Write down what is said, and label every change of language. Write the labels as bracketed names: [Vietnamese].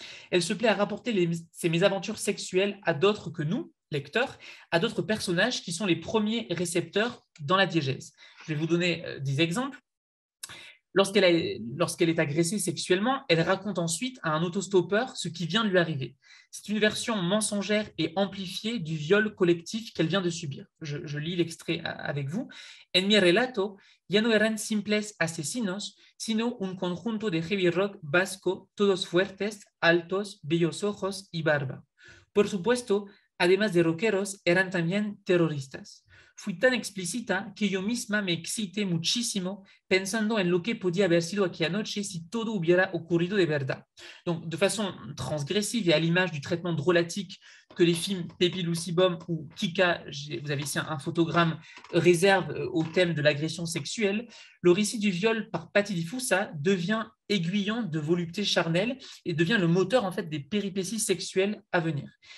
[French] Elle se plaît à rapporter ses mésaventures sexuelles à d'autres que nous, lecteurs, à d'autres personnages qui sont les premiers récepteurs dans la diégèse. Je vais vous donner des exemples. Lorsqu'elle est agressée sexuellement, elle raconte ensuite à un autostoppeur ce qui vient de lui arriver. C'est une version mensongère et amplifiée du viol collectif qu'elle vient de subir. Je lis l'extrait avec vous. [Spanish] En mi relato, ya no eran simples asesinos, sino un conjunto de heavy rock vasco, todos fuertes, altos, bellos ojos y barba. Por supuesto, además de rockeros, eran también terroristas. Fui tan explícita que yo misma me excité muchísimo pensando en lo que podía haber sido aquella noche si todo hubiera ocurrido de verdad. [French] Donc, de façon transgressive et à l'image du traitement drôlatique que les films Pepi Lucibom ou Kika, vous avez ici un photogramme, réserve au thème de l'agression sexuelle, le récit du viol par Patti Di Fussa devient aiguillon de volupté charnelle et devient le moteur en fait, des péripéties sexuelles à venir.